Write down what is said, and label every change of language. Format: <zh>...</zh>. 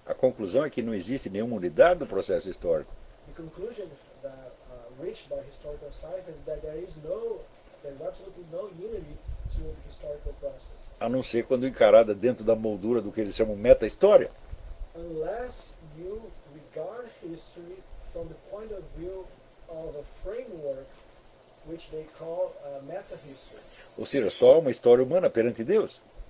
<pt>a conclusão é que não existe nenhuma unidade do processo histórico.</pt> <en>The conclusion that reached by historical science is that there is absolutely no unity to the historical process.</en> <pt>A não ser quando encarada dentro da moldura do que eles chamam meta-história.</pt> <en>Unless you regard history from the point of view of a framework which they call meta-history.</en> <pt>Ou seja, só uma história humana perante Deus.</pt>